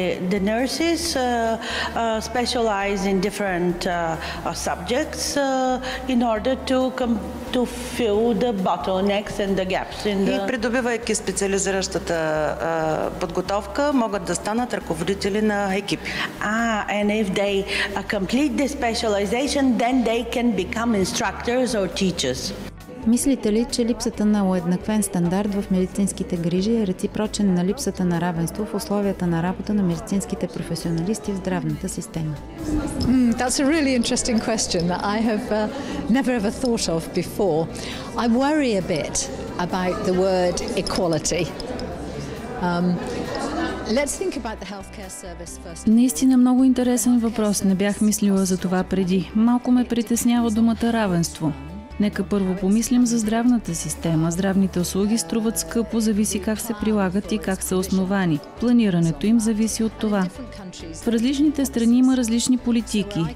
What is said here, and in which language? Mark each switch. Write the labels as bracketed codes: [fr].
[en] The nurses specialize in different subjects in order to fill the bottlenecks and the gaps in the... [bg] И придобивайки специализиращата подготовка, могат да станат ръководители на екипи. [en] And if they complete the specialization, then they can become instructors or teachers. [bg] Мислите ли, че липсата на уеднаквен стандарт в медицинските грижи е реципрочен на липсата на равенство в условията на работа на медицинските професионалисти в здравната система? [en] That's a really interesting question that I have never ever thought of before. I worry a bit about the word equality. Let's think about the healthcare service first. [bg] Наистина много интересен въпрос. Не бях мислила за това преди. Малко ме притеснява думата равенство. Нека първо помислим за здравната система. Здравните услуги струват скъпо, зависи как се прилагат и как са основани. Планирането им зависи от това. В различните страни има различни политики.